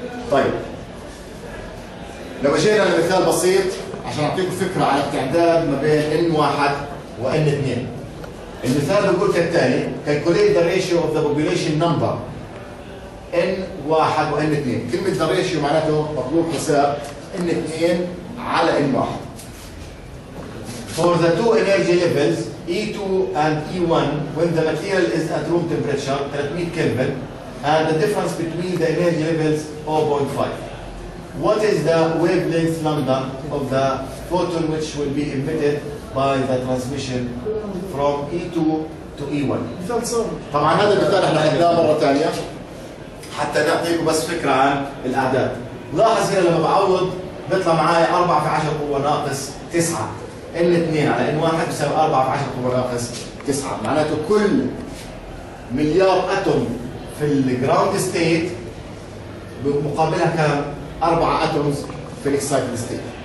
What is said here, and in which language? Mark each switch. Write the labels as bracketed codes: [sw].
[ar] طيب لو جينا لمثال بسيط عشان اعطيكم فكره على التعداد ما بين ان واحد وان اثنين. المثال بيقول كالتالي: [en] calculate the ratio of the population number [ar] ان واحد وان اثنين. كلمه [en] the ratio [ar] معناته مطلوب حساب ان اثنين على ان واحد. [en] For the two energy levels E2 and E1 when the material is at room temperature 300 Kelvin and the difference between the energy levels 0.5. What is the wavelength lambda of the photon which will be emitted by the transmission from E2 to E1? [ar] طبعا هذا المثال احنا حنعيده مره ثانيه حتى نعطيكم بس فكره عن الاعداد. لاحظ هنا لما بعوض بيطلع معي 4 في 10 قوه ناقص 9. ان 2 على ان 1 بيساوي 4 في 10 قوه ناقص 9، معناته كل مليار اتوم في الجراوند ستيت مقابلها كم؟ 4 اتومز في الاكسايتد ستيت.